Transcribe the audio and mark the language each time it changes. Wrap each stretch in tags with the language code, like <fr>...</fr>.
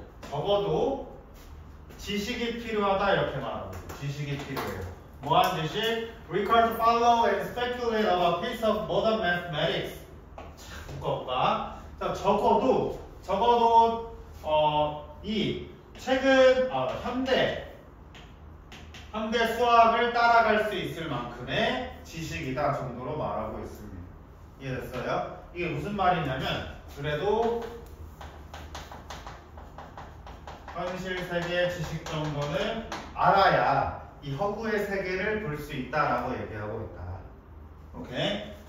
<ko>적어도 지식이 필요하다 이렇게 말하고 지식이 필요해요. 뭐한 지식?</ko> <en>Required to follow and speculate about a piece of modern mathematics.</en> <ko>참 무겁다. 자 적어도 이 최근 현대 수학을 따라갈 수 있을 만큼의 지식이다 정도로 말하고 있습니다. 이해됐어요? 이게 무슨 말이냐면 그래도 현실 세계의 지식 정도는 알아야 이 허구의 세계를 볼 수 있다라고 얘기하고 있다. 오케이.</ko>